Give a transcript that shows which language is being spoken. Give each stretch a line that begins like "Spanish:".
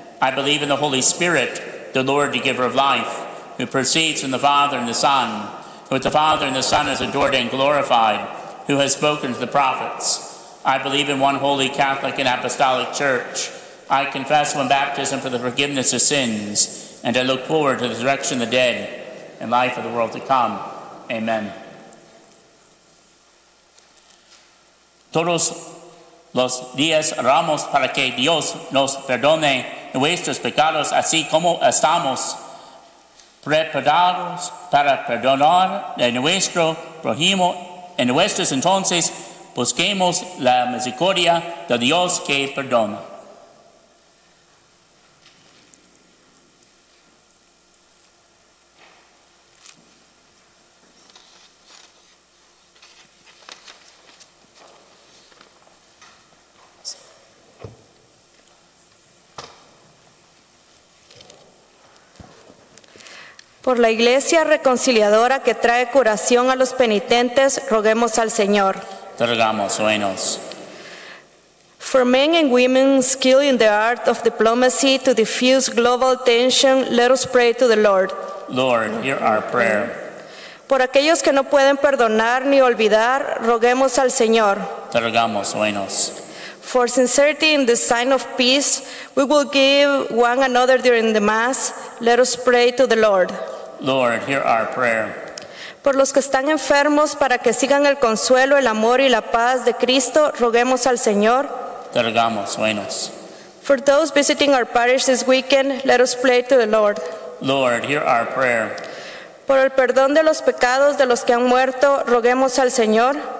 English: I believe in the Holy Spirit, the Lord, the giver of life, who proceeds from the Father and the Son, who with the Father and the Son is adored and glorified, who has spoken to the prophets. I believe in one holy Catholic and apostolic church. I confess one baptism for the forgiveness of sins, and I look forward to the resurrection of the dead and life of the world to come. Amen.
Spanish: Todos los días oramos para que Dios nos perdone nuestros pecados, así como estamos preparados para perdonar a nuestro prójimo. En nuestros entonces, busquemos la misericordia de Dios que perdona. Por la Iglesia reconciliadora que trae curación a los penitentes, roguemos al Señor. Te rogamos, óyenos.
English: For men and women skilled in the art of diplomacy to diffuse global tension, let us pray to the Lord. Lord, hear our prayer.
Spanish: Por aquellos que no pueden perdonar ni olvidar, roguemos al Señor. Te rogamos, óyenos.
English: For sincerity in the sign of peace, we will give one another during the Mass. Let us pray to the Lord. Lord, hear our prayer.
Spanish: Por los que están enfermos, para que sigan el consuelo, el amor y la paz de Cristo, roguemos al Señor. Te rogamos, óyenos.
English: For those visiting our parish this weekend, let us pray to the Lord. Lord, hear our prayer.
Spanish: Por el perdón de los pecados de los que han muerto, roguemos al Señor.